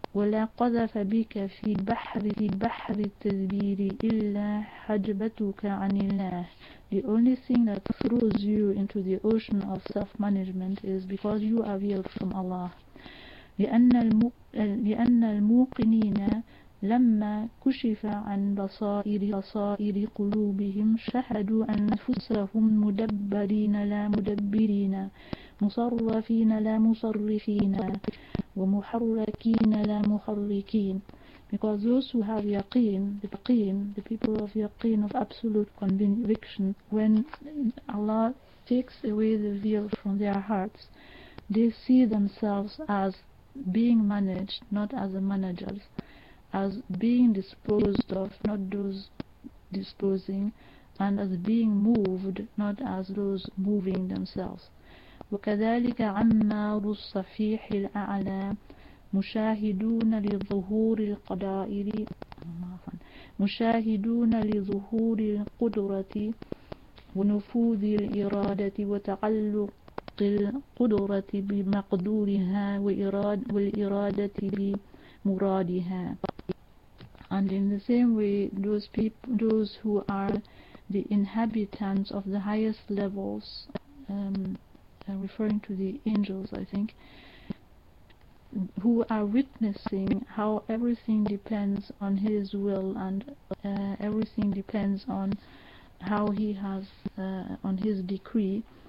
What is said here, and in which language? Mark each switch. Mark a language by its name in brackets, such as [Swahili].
[Arabic] ولا قذف بك في بحر التدبير إلا حجبتك عن الله. [English] The only thing that throws you into the ocean of self-management is because you are veiled from Allah. [Arabic] لأن الموقنين لما كشف عن بصائر قلوبهم شهدوا أنفسهم مدبرين لا مدبرين مصرفين لا مصرفين ومحركين لا محركين. [English] Because those who have yaqeen, the people of yaqeen, of absolute conviction, when Allah takes away the veil from their hearts, they see themselves as being managed, not as the managers, as being disposed of, not those disposing, and as being moved, not as those moving themselves. [Arabic] وكذلك عمار الصفيح الأعلى مشاهدون لظهور القدائر مشاهدون لظهور القدرة ونفوذ الإرادة وتعلق القدرة بمقدورها والإرادة بمرادها. [English] And in the same way, those people, those who are the inhabitants of the highest levels, referring to the angels, I think, who are witnessing how everything depends on his will and everything depends on how he has on his decree.